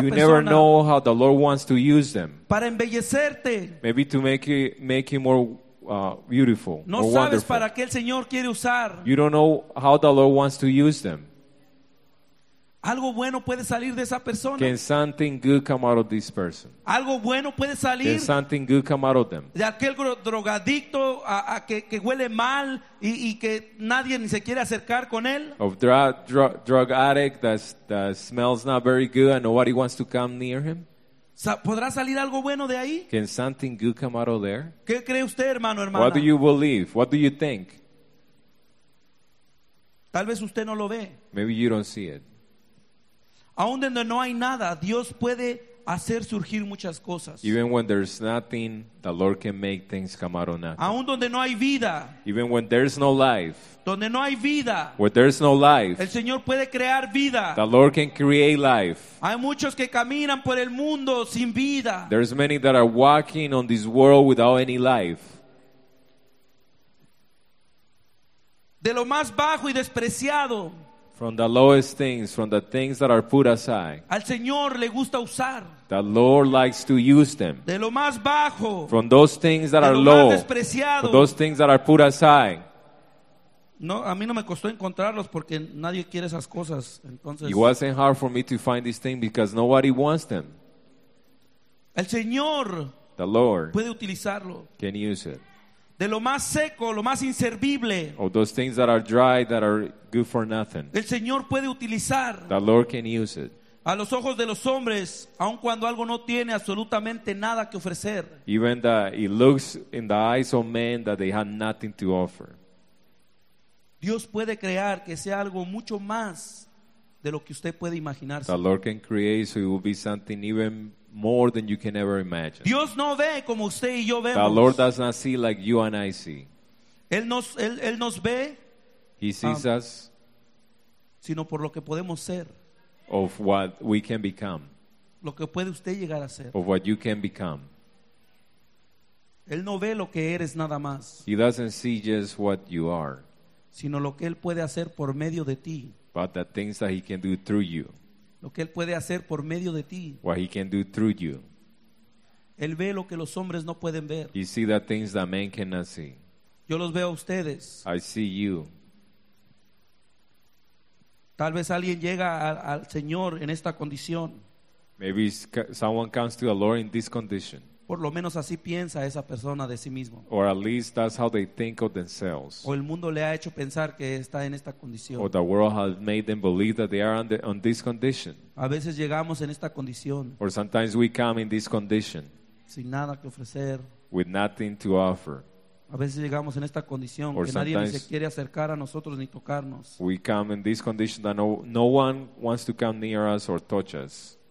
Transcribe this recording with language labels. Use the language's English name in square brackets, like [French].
[English] you [Spanish] persona. [English] You never know how the Lord wants to use them. [Spanish] Para embellecerte. [English] Maybe to make it more beautiful. [Spanish] No [English] more [Spanish] sabes [English] wonderful. [Spanish] Para qué el Señor quiere usar. [English] You don't know how the Lord wants to use them. [Spanish] Algo bueno puede salir de esa persona. [English] Can something good come out of this person? [Spanish] Algo bueno puede salir. [English] Can something good come out of them? [Spanish] De aquel drogadicto que huele mal y que nadie ni se quiere acercar con él. [English] Of drug addict that smells not very good and nobody wants to come near him. [Spanish] ¿Podrá salir algo bueno de ahí? [English] Can something good come out of there? [Spanish] ¿Qué cree usted, hermano, hermana? [English] What do you believe? What do you think? [Spanish] Tal vez usted no lo ve. [English] Maybe you don't see it. [Spanish] Aún donde no hay nada, Dios puede hacer surgir muchas cosas. [English] Even when there's nothing, the Lord can make things come out of nothing. [Spanish] Aún donde no hay vida. [English] Even when there's no life. [Spanish] Donde no hay vida. [English] Where there's no life. [Spanish] El Señor puede crear vida. [English] The Lord can create life. [Spanish] Hay muchos que caminan por el mundo sin vida. [English] There's many that are walking on this world without any life. [Spanish] De lo más bajo y despreciado. [English] From the lowest things, from the things that are put aside. [Spanish] Al Señor le gusta usar. [English] The Lord likes to use them. [Spanish] De lo más bajo. [English] From those things that are low. [Spanish] De lo más despreciado. [English] From those things that are put aside. [Spanish] No, a mí no me costó encontrarlos porque nadie quiere esas cosas. Entonces, [English] it wasn't hard for me to find these things because nobody wants them. [Spanish] El Señor, [English] the Lord, [Spanish] puede utilizarlo. [English] Can use it. [Spanish] De lo más seco, lo más inservible. [English] Of those things that are dry, that are good for nothing. [Spanish] El Señor puede utilizar. [English] The Lord can use it. [Spanish] A los ojos de los hombres, aun cuando algo no tiene absolutamente nada que ofrecer. [English] Even that it looks in the eyes of men that they have nothing to offer. [Spanish] Dios puede crear que sea algo mucho más de lo que usted puede imaginarse. [English] The Lord can create so it will be something even more than you can ever imagine. [Spanish] Dios no ve como usted y yo vemos. [English] The Lord does not see like you and I see. [Spanish] Él nos ve. [English] He sees us. [Spanish] Sino por lo que podemos ser. [English] Of what we can become. [Spanish] Lo que puede usted llegar a ser. [English] Of what you can become. [Spanish] Él no ve lo que eres nada más. [English] He doesn't see just what you are. [Spanish] Sino lo que él puede hacer por medio de ti. [English] But the things that he can do through you. [Spanish] Lo que él puede hacer por medio de ti. [English] What he can do through you. [Spanish] Él ve lo que los hombres no pueden ver. [English] He sees the things that men cannot see. [Spanish] Yo los veo a ustedes. [English] I see you. [Spanish] Tal vez alguien llega al Señor en esta condición. [English] Maybe someone comes to the Lord in this condition. [Spanish] Por lo menos así piensa esa persona de sí mismo. [English] Or at least that's how they think of themselves. [Spanish] O el mundo le ha hecho pensar que está en esta condición. [English] Or the world has made them believe that they are on this condition. [Spanish] A veces llegamos en esta condición. [English] Or sometimes we come in this condition. [Spanish] Sin nada que ofrecer. [English] With nothing to offer. [Spanish] A veces llegamos en esta condición que nadie ni se quiere acercar a nosotros ni tocarnos. [English] We come in this condition that no one wants to come near us or touch us.